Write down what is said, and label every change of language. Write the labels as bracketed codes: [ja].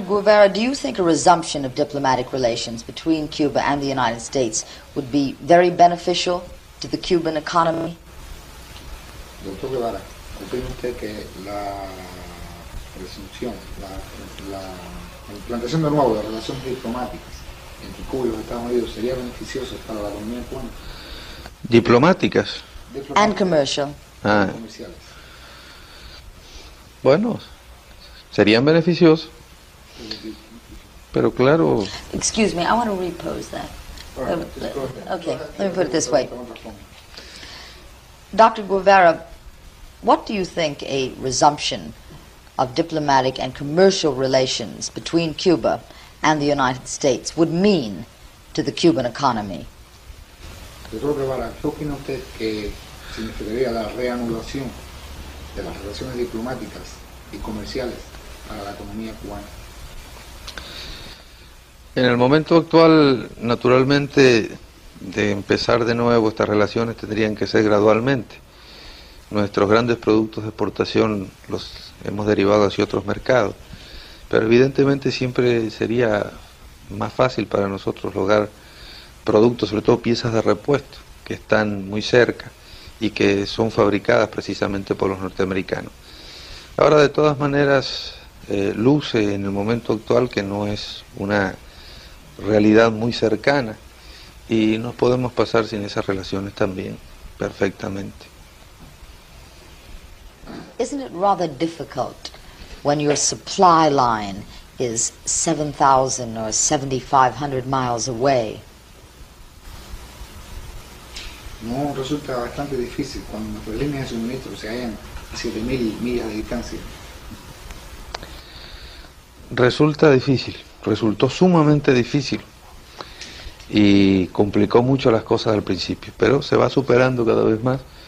[en] Guevara, do you think a resumption of diplomatic relations between Cuba and the United States would be very beneficial to the Cuban economy? Dr. [es] Guevara, ¿opina usted que la implantación de nuevo de relaciones diplomáticas entre Cuba y los Estados Unidos sería beneficioso para la economía cubana? ¿Diplomáticas? [en] And commercial. [es] Comerciales. Bueno, serían beneficiosos. Pero claro. [en] Excuse me, I want to repose that. Right, okay, let me put it this way. Dr. Guevara, what do you think a resumption of diplomatic and commercial relations between Cuba and the United States would mean to the Cuban economy? [es] Doctor Guevara, ¿qué opina usted que significaría la reanulación de las relaciones diplomáticas y comerciales para la economía cubana? En el momento actual, naturalmente, de empezar de nuevo estas relaciones tendrían que ser gradualmente. Nuestros grandes productos de exportación los hemos derivado hacia otros mercados, pero evidentemente siempre sería más fácil para nosotros lograr productos, sobre todo piezas de repuesto, que están muy cerca y que son fabricadas precisamente por los norteamericanos. Ahora, de todas maneras, luce en el momento actual que no es una realidad muy cercana y nos podemos pasar sin esas relaciones también perfectamente. [en] Isn't it rather difficult when your supply line is 7,000 or 7,500 miles away? [es] No, resulta bastante difícil cuando nuestras líneas de suministro se hallan a 7,000 millas de distancia. Resulta difícil, resultó sumamente difícil y complicó mucho las cosas al principio, pero se va superando cada vez más.